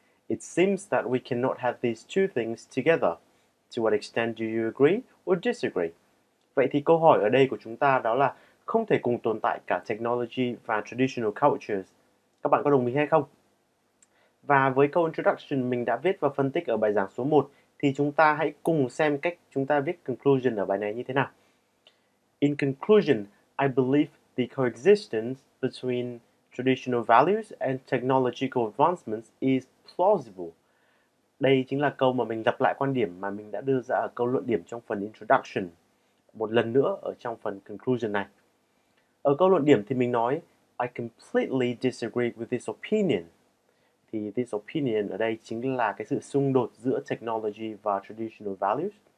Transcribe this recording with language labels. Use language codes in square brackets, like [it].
[en] It seems that we cannot have these two things together. To what extent do you agree or disagree? [vi] Vậy thì câu hỏi ở đây của chúng ta đó là không thể cùng tồn tại cả technology và traditional cultures. Các bạn có đồng ý hay không? Và với câu introduction mình đã viết và phân tích ở bài giảng số 1, thì chúng ta hãy cùng xem cách chúng ta viết conclusion ở bài này như thế nào. [en] In conclusion, I believe the coexistence between traditional values and technological advancements is plausible. [vi] Đây chính là câu mà mình lặp lại quan điểm mà mình đã đưa ra ở câu luận điểm trong phần introduction một lần nữa ở trong phần conclusion này. Ở câu luận điểm thì mình nói [en] I completely disagree with this opinion. [vi] Thì this opinion ở đây chính là cái sự xung đột giữa technology và traditional values.